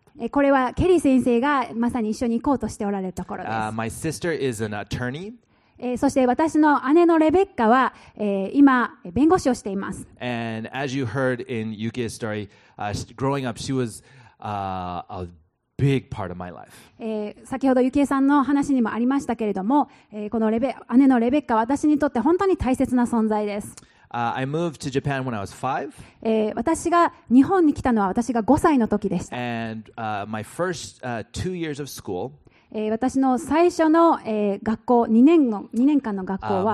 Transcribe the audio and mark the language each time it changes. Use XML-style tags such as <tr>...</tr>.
<ja>これはケリー先生がまさに一緒に行こうとしておられるところです。</ja> <en>My sister is an attorney.</en> <ja>そして私の姉のレベッカは、今弁護士をしています。</ja> <en>And as you heard in Yuki's story, growing up she was a big part of my life.</en> <ja>先ほどゆきえさんの話にもありましたけれども、この姉のレベッカは私にとって本当に大切な存在です。</ja> <en>I moved to Japan when I was five.</en> <ja>私が日本に来たのは私が5歳の時でした。</ja> <en>And my first two years of school.</en> <ja>私の最初の、学校2年間の学校は、</ja>